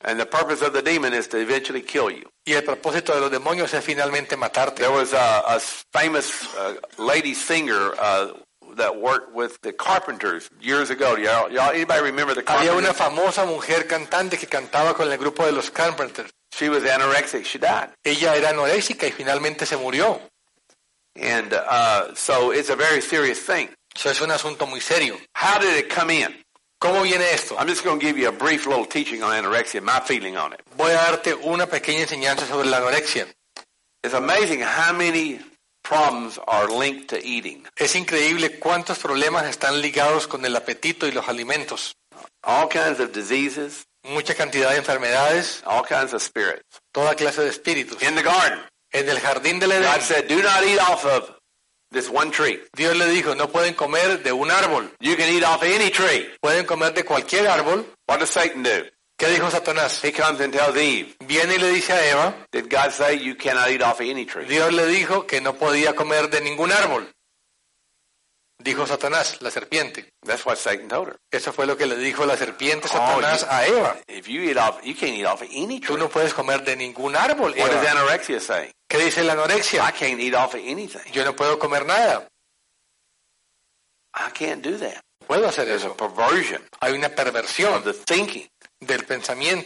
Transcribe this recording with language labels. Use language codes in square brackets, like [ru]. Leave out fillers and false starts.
[en] And the purpose of the demon is to eventually kill you. [es] Y el propósito de los demonios es finalmente matarte. [en] There was a famous lady singer that worked with the Carpenters years ago. Y'all, anybody remember the Carpenters? [es] Había una famosa mujer cantante que cantaba con el grupo de los Carpenters. [en] She was anorexic. She died. [es] Ella era anorexica y finalmente se murió. [en] And so it's a very serious thing. [es] Eso es un asunto muy serio. [en] How did it come in? [es] ¿Cómo viene esto? [en] I'm just going to give you a brief little teaching on anorexia, my feeling on it. [es] Voy a darte una pequeña enseñanza sobre la anorexia. [en] It's amazing how many problems are linked to eating. [es] Es increíble cuántos problemas están ligados con el apetito y los alimentos. [en] All kinds of diseases. [es] Mucha cantidad de enfermedades. [en] All kinds of spirits. [es] Toda clase de espíritus. [en] In the garden. [es] En el jardín del Edén. [en] God said, "Do not eat off of." This one tree. [es] Dios le dijo, no pueden comer de un árbol. [en] You can eat off any tree. [es] Pueden comer de cualquier árbol. [en] What does Satan do? [es] ¿Qué dijo Satanás? [en] He comes and tells Eve. [es] Viene y le dice a Eva. [en] Did God say you cannot eat off any tree? [es] Dios le dijo que no podía comer de ningún árbol. Dijo Satanás, la serpiente. [en] That's what Satan told her. [es] Eso fue lo que le dijo la serpiente Satanás a Eva. [en] If you eat off, you can't eat off any tree. [es] Tú no puedes comer de ningún árbol, [en] what [es] Eva. [en] What does anorexia say? [es] ¿Qué dice la anorexia? [en] I can't eat off of anything. [es] Yo no puedo comer nada. [en] I can't do that. [es] Puedo hacer [en] There's [es] eso. [en] A perversion. [es] Hay una perversión [en] of the thinking [es] del pensamiento.